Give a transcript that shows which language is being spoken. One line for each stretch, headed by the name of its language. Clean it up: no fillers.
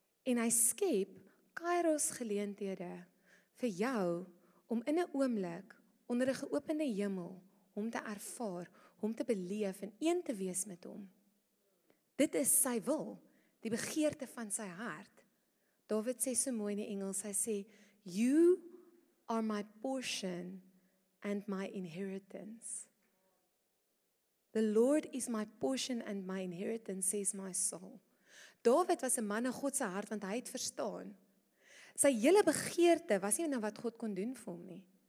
Afrikaans: En hy skep kairos geleenthede vir jou om in 'n oomblik onder 'n geopende hemel hom te ervaar, hom te beleef en een te wees met hom. Dit is sy wil, die begeerte van sy hart. Dawid sê so mooi in die Engels, hy sê,
English: "You are my portion and my inheritance. The Lord is my portion and my inheritance," says my soul.
Afrikaans: Dawid was 'n man na God se hart, want hy het verstaan. Sy hele begeerte was nie na wat God kon doen vir hom nie.